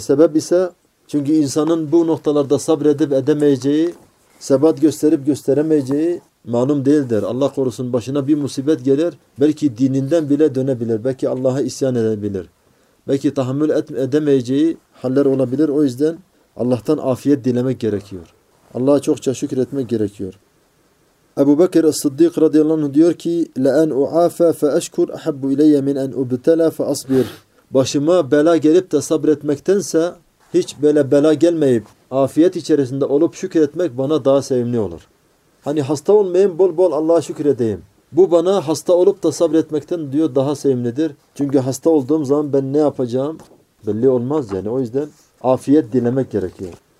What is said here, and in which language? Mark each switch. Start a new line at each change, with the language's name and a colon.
Turkish: Sebep ise, çünkü insanın bu noktalarda sabredip edemeyeceği, sebat gösterip gösteremeyeceği malum değildir. Allah korusun, başına bir musibet gelir, belki dininden bile dönebilir, belki Allah'a isyan edebilir, belki tahammül edemeyeceği haller olabilir. O yüzden Allah'tan afiyet dilemek gerekiyor. Allah'a çokça şükretmek gerekiyor. Ebu Bekir es-Siddiq radıyallahu anh diyor ki
Arabic: لَاَنْ اُعَافَ فَاَشْكُرْ اَحَبُّ اِلَيَّ مِنْ اَنْ اُبْتَلَى فَاَصْبِرْ.
Turkish: Başıma bela gelip de sabretmektense, hiç böyle bela gelmeyip afiyet içerisinde olup şükretmek bana daha sevimli olur. Hani hasta olmayayım, bol bol Allah'a şükredeyim. Bu bana hasta olup da sabretmekten diyor daha sevimlidir. Çünkü hasta olduğum zaman ben ne yapacağım belli olmaz yani. O yüzden afiyet dilemek gerekiyor.